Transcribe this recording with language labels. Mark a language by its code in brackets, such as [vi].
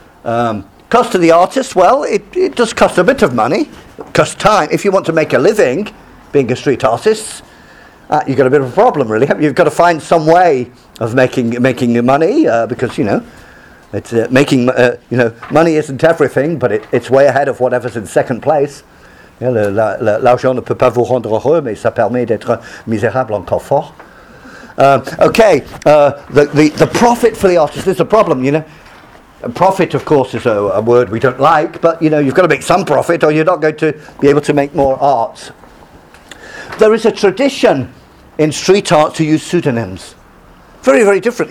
[en] Cost to the artist, well, it does cost a bit of money. Cost time. If you want to make a living being a street artist, you've got a bit of a problem, really. You've got to find some way of making money because, you know, it's making money isn't everything, but it's way ahead of whatever's in second place. [fr] Yeah, l'argent ne peut pas vous rendre heureux, mais ça permet d'être misérable encore fort. [en] The profit for the artist is a problem, you know. Profit, of course, is a word we don't like, but, you know, you've got to make some profit or you're not going to be able to make more art. There is a tradition in street art to use pseudonyms. Very, very different.